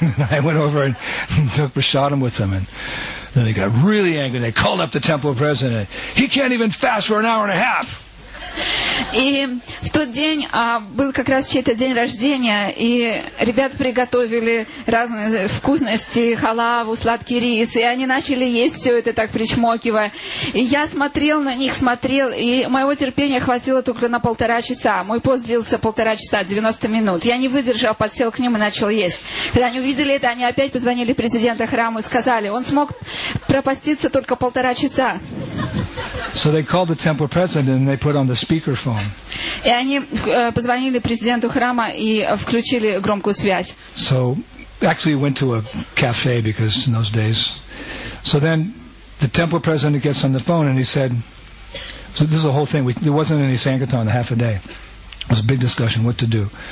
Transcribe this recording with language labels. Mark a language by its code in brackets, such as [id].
[en] I went over and took prasadam with them, and then they got really angry. They called up the temple president. He can't even fast for an hour and a half. [ru] И в тот день был как раз чей-то день рождения, и ребята приготовили разные вкусности, халаву, сладкий рис, и они начали есть все это так причмокивая. И я смотрел на них, смотрел, и моего терпения хватило только на 1.5 часа. Мой пост длился 1.5 часа, 90 минут. Я не выдержал, подсел к ним и начал есть. Когда они увидели это, они опять позвонили президенту храма и сказали, он смог пропаститься только 1.5 часа. [en] So they called the temple president and they put on the speakerphone. [ru] И они позвонили президенту храма и включили громкую связь. [en] So actually went to a cafe because in those days. So then the temple president gets on the phone and he said, so this is the whole thing. There wasn't any sankirtan half a day. It was a big discussion what to do.